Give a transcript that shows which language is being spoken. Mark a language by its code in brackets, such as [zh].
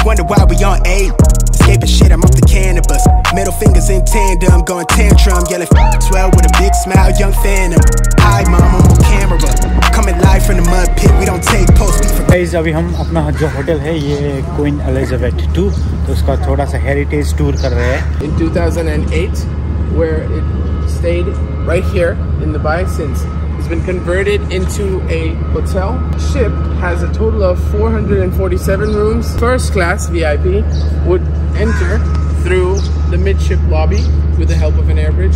[en] Escape and shit, I'm off the cannabis. Middle fingers in tandem, going tantrum. Yelling F12 with a big smile, young phantom. Hi mom, I'm on camera. Coming live from the mud pit, we don't take post. [hi] Guys, अभी हम अपना जो hotel है ये queen Elizabeth 2, तो उसका थोड़ा सा हेरिटेज टूर कर रहे हैं। [en] In 2008, where it stayed right here in the bay since. It's been converted into a hotel. Ship has a total of 447 rooms. First class VIP would enter through the midship lobby with the help of an air bridge.